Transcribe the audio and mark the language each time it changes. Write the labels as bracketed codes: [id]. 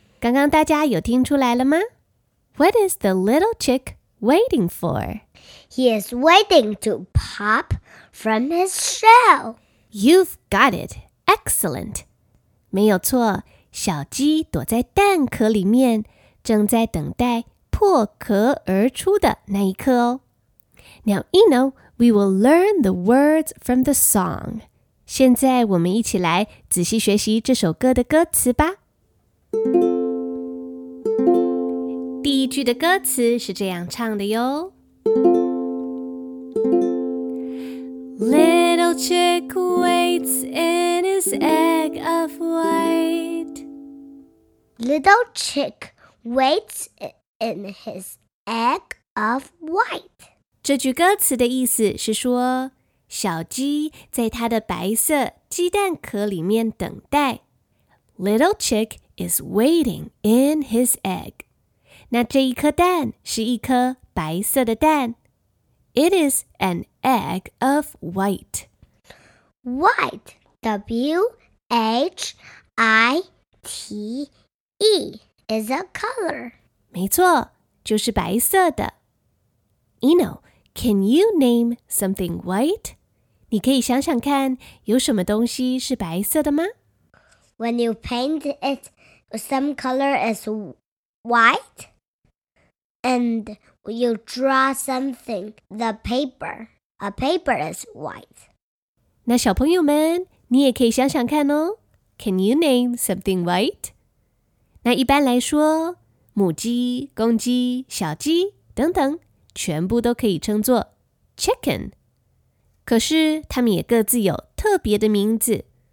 [zh] 刚刚大家有听出来了吗？ [en] What is the little chick waiting for? He is waiting to pop from his shell. You've got it. Excellent. [zh] 没有错，小鸡躲在蛋壳里面，正在等待破壳而出的那一刻哦。 [en] Now, Eno, we will learn the words from the song. [zh] 现在我们一起来仔细学习这首歌的歌词吧。第一句的歌词是这样唱的哟。 [en] Little chick waits in his egg of white. Little chick waits in his egg of white. [zh] 这句歌词的意思是说，小鸡在它的白色鸡蛋壳里面等待。 [en] Little chick is waiting in his egg. [zh] 那这一颗蛋是一颗白色的蛋。 [en] It is an egg of white. White, W-H-I-T-E, is a color. [zh] 没错，就是白色的。 [en] Eno, can you name something white? [zh] 你可以想想看，有什么东西是白色的吗？ [en] When you paint it, some color is white. And you draw something, the paper A paper is white. [zh] 那小朋友们，你也可以想想看哦。 [en] Can you name something white? [zh] 那一般来说，母鸡、公鸡、小鸡等等，全部都可以称作 chicken。可是它们也各自有特别的名字。